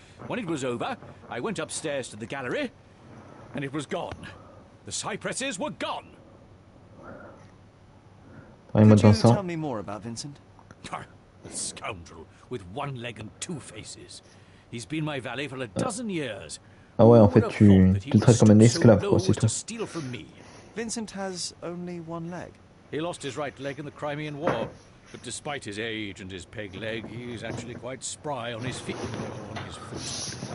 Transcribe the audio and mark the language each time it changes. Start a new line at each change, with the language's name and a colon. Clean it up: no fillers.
English: When it was over, I went upstairs to the gallery, and it was gone. The cypresses were gone. Could you tell me more about Vincent? The scoundrel with one leg and two faces. He's been my valet for a dozen years.
French: Ah ouais, en fait, tu traites comme un esclave, quoi, c'est tout.
English: Vincent has only one leg. He lost his right leg in the Crimean War. But despite his age and his peg leg, he is actually quite spry on his feet, on his foot.